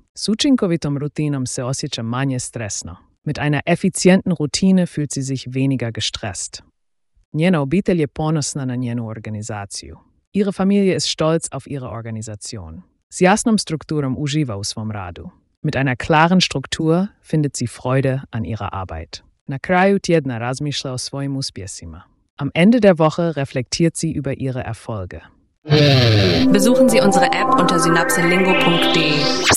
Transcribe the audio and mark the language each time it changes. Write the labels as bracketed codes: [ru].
[hr] S učinkovitom rutinom se osjeća manje stresno. [de] Mit einer effizienten Routine fühlt sie sich weniger gestresst. [hr] Njena obitelj je ponosna na njenu organizaciju. [de] Ihre Familie ist stolz auf ihre Organisation. [hr] S jasnom strukturom uživa u svom radu. [de] Mit einer klaren Struktur findet sie Freude an ihrer Arbeit. [hr] Na kraju tjedna razmišlja o svojim uspjesima. [de] Am Ende der Woche reflektiert sie über ihre Erfolge. Besuchen Sie unsere App unter synapselingo.de.